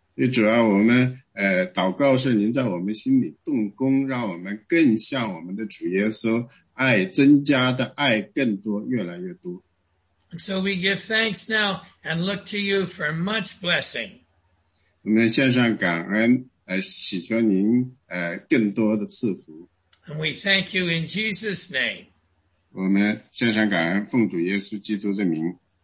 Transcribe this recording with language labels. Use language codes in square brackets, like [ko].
[zh] 主啊，我们祷告是您在我们心里动工，让我们更像我们的主耶稣，爱增加的爱更多，越来越多。 [en] So we give thanks now and look to you for much blessing. [zh] 我们献上感恩，祈求您更多的赐福。 [en] And we thank you in Jesus' name. [zh] 我们献上感恩，奉主耶稣基督的名。